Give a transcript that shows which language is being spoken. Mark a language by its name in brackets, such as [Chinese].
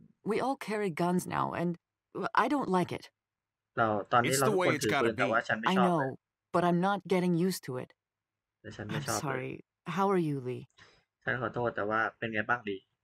[English] We all carry guns now and I don't like it [Thai] เราตอนนี้เราทุกคนถือปืนแต่ว่าฉันไม่ชอบ [English] I know but I'm not getting used to it [Thai] แต่ฉันไม่ชอบ [English] Sorry how are you Lee [Thai] ฉันขอโทษแต่ว่าเป็นไงบ้างดี